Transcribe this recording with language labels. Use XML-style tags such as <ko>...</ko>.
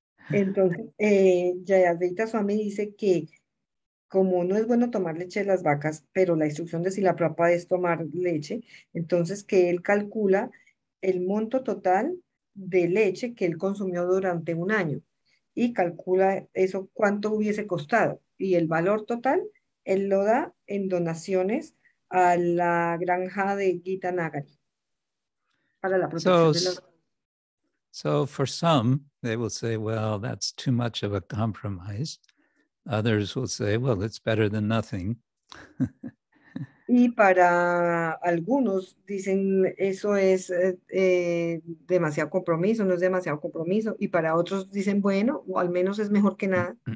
<es>Entonces, Yayadita Swami dice que como no es bueno tomar leche de las vacas, pero la instrucción de si la propa es tomar leche, entonces que él calcula el monto total de leche que él consumió durante un año y calcula eso cuánto hubiese costado. Y el valor total, él lo da en donaciones a la granja de Gita Nagari para la protección de los...</es> <en>So for some, they will say, well, that's too much of a compromise. Others will say, well, it's better than nothing.</en> <es>Y para algunos dicen, eso es demasiado compromiso, no es demasiado compromiso. Y para otros dicen, bueno, o al menos es mejor que nada.</es>